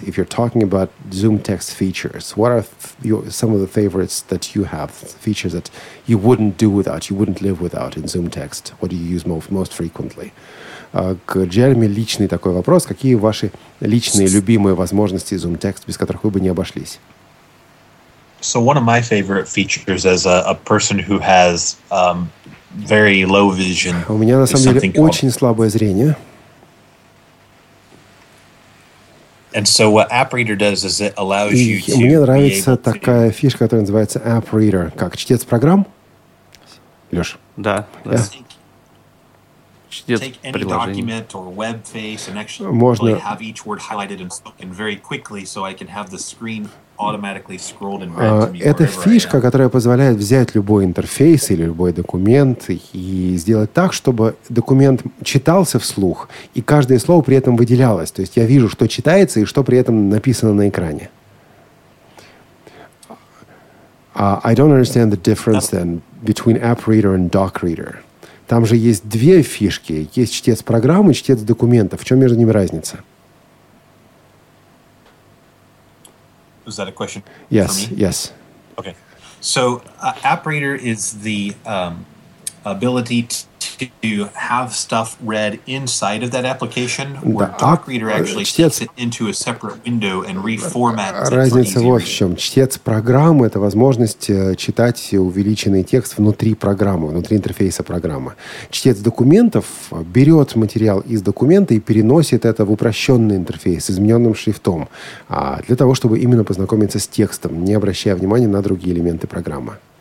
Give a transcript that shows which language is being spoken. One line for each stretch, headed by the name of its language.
English: If you're talking about Zoom text features, what are some of the favorites that you have, features that you wouldn't do without, you wouldn't live without in Zoom text? What do you use most frequently?
Russian: К Джереми личный такой вопрос. Какие ваши личные любимые возможности Zoom text, без которых вы бы не обошлись?
English: So one of my favorite features as a person who has very low vision.
Russian: У меня на самом деле очень слабое зрение.
English: And so what App Reader does is it allows you to.
Russian: Мне нравится такая фишка, которая называется App Reader, как чтец программ. Леш. Да. Да. Можно
English: have each word highlighted and spoken very quickly, so I can have the screen automatically scrolled and read to me.
Russian: Это фишка, которая позволяет взять любой интерфейс или любой документ и сделать так, чтобы документ читался вслух и каждое слово при этом выделялось. То есть я вижу, что читается и что при этом написано на экране.
English: I don't understand the difference then between App Reader and Doc Reader.
Russian: Там же есть две фишки. Есть чтец программы, чтец документов. В чем между ними разница?
English: Is that a question? Yes, yes. Okay. So, App Reader is the ability to have stuff read inside of that application, where Doc Reader actually takes it into a separate window and reformats it for easier.
Russian: Разница вот в чем. Чтец программы – это возможность читать увеличенный текст внутри программы, внутри интерфейса программы. Чтец документов берет материал из документа и переносит это в упрощенный интерфейс с измененным шрифтом, для того, чтобы именно познакомиться с текстом, не обращая внимания на другие элементы программы.